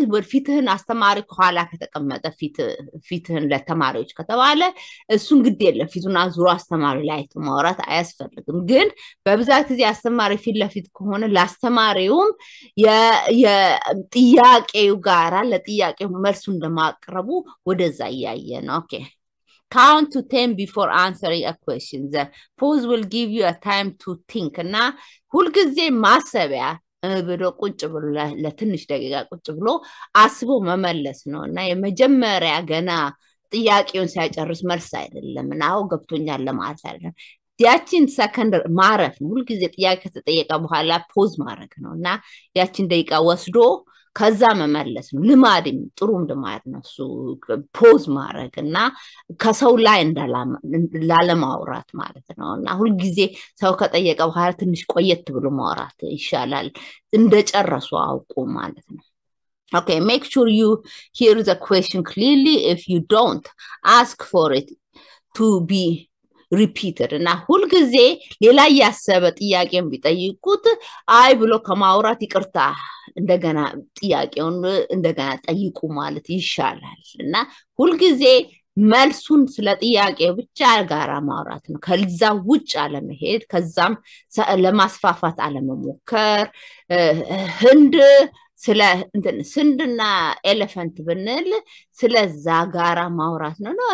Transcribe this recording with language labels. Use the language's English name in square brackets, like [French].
[Amharic] ፊትህን አስተማሪ ከኋላ ከተቀመጠ ፊትህን ለተማሪዎች ከተባለ እሱን ግድ የለም ፊቱን አዙሮ አስተማሪ ላይ ማውራት አያስፈልግም። ግን በብዛት ጊዜ አስተማሪ ፊት ለፊት ከሆነ ለአስተማሪውም የጥያቄው ጋራ ለጥያቄው መልሱ እንደማቅረቡ ወደዛ እያየ ነው። ኦኬ [English] count to 10 before answering a question. The pause will give you a time to think. [Amharic] እና ሁልጊዜ ማሰቢያ ብሎ ቁጭ ብሎ ለትንሽ ደቂቃ ቁጭ ብሎ አስቦ መመለስ ነው እና የመጀመሪያ ገና ጥያቄውን ሲያጨርስ መልስ አይደለም እና አዎ ገብቶኛል ለማለት አይደለም። ያቺን ሰከንድ ማረፍ ነው። ሁልጊዜ ጥያቄ ከተጠየቀ በኋላ ፖዝ ማድረግ ነው እና ያቺን ደቂቃ ወስዶ ከዛ መመለስ ነው። ልማድም ጥሩም ልማድ ነው እሱ። ፖዝ ማድረግ እና ከሰው ላይ ላለማውራት ማለት ነው እና ሁልጊዜ ሰው ከጠየቀ በኋላ ትንሽ ቆየት ብሎ ማውራት ይሻላል፣ እንደጨረሱ አውቁ ማለት ነው። [English] Okay, make sure you hear the question clearly. If you don't, ask for it to be repeated. [Amharic] እና ሁልጊዜ ሌላ ያሰበ ጥያቄን ቢጠይቁት አይ ብሎ ከማውራት ይቅርታ እንደገና ጥያቄውን እንደገና ጠይቁ ማለት ይሻላል። እና ሁልጊዜ መልሱን ስለ ጥያቄ ብቻ ጋራ ማውራት ነው፣ ከዛ ውጭ አለመሄድ፣ ከዛም ለማስፋፋት አለመሞከር። ህንድ ስለ እንትን ስንድና ኤሌፈንት ብንል ስለዛ ጋራ ማውራት ነው።